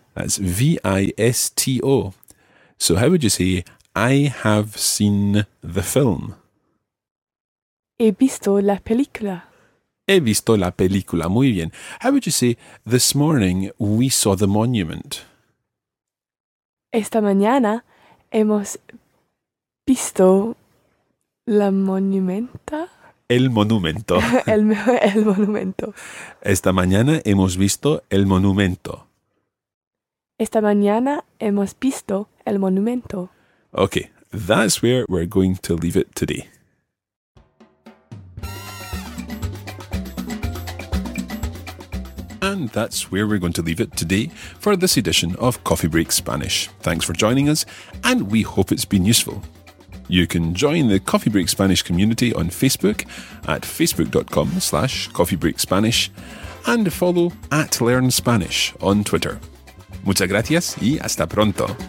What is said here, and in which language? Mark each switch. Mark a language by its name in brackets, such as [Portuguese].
[English] That's V-I-S-T-O. So how would you say, I have seen the film? [Spanish] He visto la película. He visto la película. Muy bien. [English] How would you say, this morning we saw the monument? [Spanish] Esta mañana hemos visto la monumenta. El monumento. el monumento. Esta mañana hemos visto el monumento. Esta mañana hemos visto el monumento. [English] Okay, that's where we're going to leave it today. And that's where we're going to leave it today for this edition of Coffee Break Spanish. Thanks for joining us, and we hope it's been useful. You can join the Coffee Break Spanish community on Facebook at facebook.com/coffeebreakspanish and follow at Learn Spanish on Twitter. [Spanish] Muchas gracias y hasta pronto.